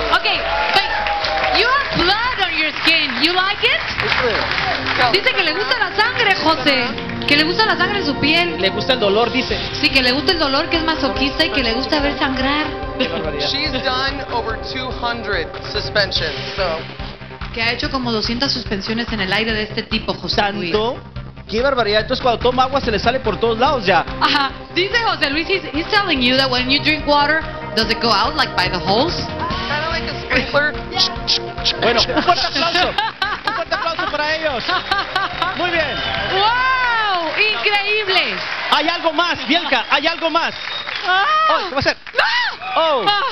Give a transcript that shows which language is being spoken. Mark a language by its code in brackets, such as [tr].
[en] Okay, but you have blood on your skin. You like it? [es] Dice que le gusta la sangre, José. Que le gusta la sangre en su piel. Le gusta el dolor, dice. Sí, que le gusta el dolor, que es masoquista y que le gusta ver sangrar. [en] She's done over 200 suspensions, so. [es] Que ha hecho como 200 suspensiones en el aire de este tipo, José. ¿Tanto? Luis. Qué barbaridad. Entonces cuando toma agua se le sale por todos lados ya. Ajá. Dice [en] José Luis, he's telling you that when you drink water, does it go out like by the holes? Kind of like a sprinkler. [es] Bueno, un fuerte aplauso. Un fuerte aplauso para ellos. Muy bien. Wow, increíble. Hay algo más, Bianca, hay algo más. Ah. Oh, ¿qué va a ser? No. Oh.